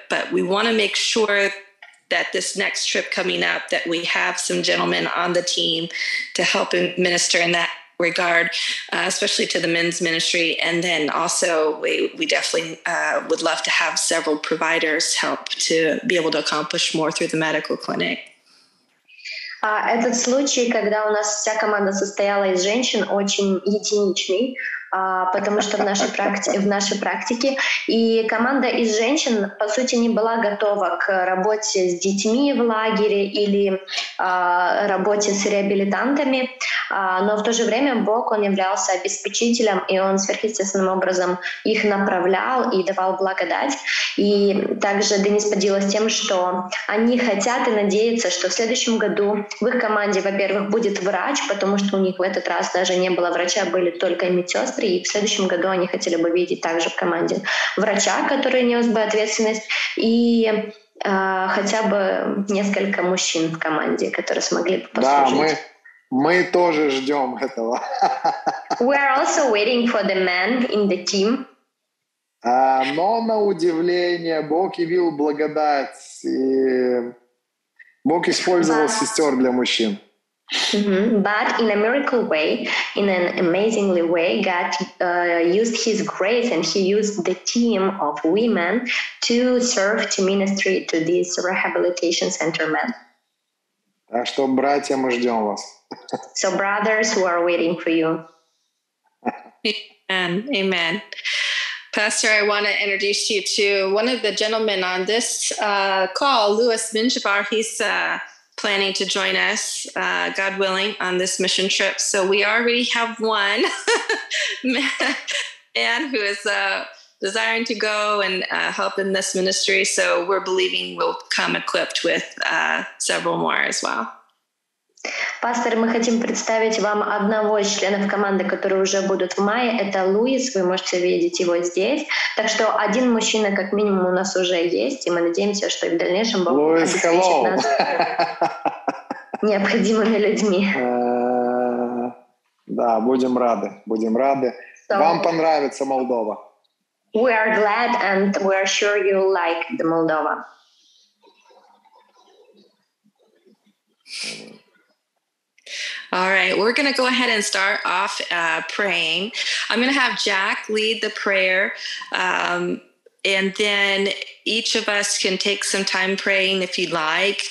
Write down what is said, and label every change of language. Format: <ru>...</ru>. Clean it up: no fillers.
<en>But we want to make sure that this next trip coming up, that we have some gentlemen on the team to help minister in that regard, especially to the men's ministry. And then also we definitely would love to have several providers help to be able to accomplish more through the medical clinic.</en> <ru>Этот случай, когда у нас вся команда состояла из женщин, очень единичный, потому что в нашей практике, и команда из женщин, по сути, не была готова к работе с детьми в лагере или работе с реабилитантами, но в то же время Бог, Он являлся обеспечителем, и Он сверхъестественным образом их направлял и давал благодать. И также Денис поделилась тем, что они хотят и надеются, что в следующем году в их команде, во-первых, будет врач, потому что у них в этот раз даже не было врача, были только медсестры. И в следующем году они хотели бы видеть также в команде врача, который нес бы ответственность, и хотя бы несколько мужчин в команде, которые смогли бы послужить. Да, мы тоже ждем этого.</ru> <en>We are also waiting for the men in the team.</en> <ru>Но на удивление Бог явил благодать, и Бог использовал сестер для мужчин. Mm-hmm.</ru> <en>But in a miracle way, in an amazingly way, God used his grace and he used the team of women to serve, to ministry to these rehabilitation center men.</en> <ru>Так что, братья, мы ждем вас.</ru> <en>So brothers, we are waiting for you. Amen. Amen. Pastor, I want to introduce you to one of the gentlemen on this call, Louis Minjabar. He's planning to join us, God willing, on this mission trip. So we already have one man who is desiring to go and help in this ministry. So we're believing we'll come equipped with several more as well.</en> <ru>Пастор, мы хотим представить вам одного из членов команды, которые уже будут в мае. Это Луис, вы можете видеть его здесь. Так что один мужчина как минимум у нас уже есть, и мы надеемся, что и в дальнейшем Бог Луис, обеспечит нас необходимыми людьми. Да, будем рады, будем рады. Вам понравится Молдова.</ru> <en>We are glad and we are sure you like the Moldova. All right, we're going to go ahead and start off praying. I'm going to have Jack lead the prayer, and then each of us can take some time praying if you'd like.</en>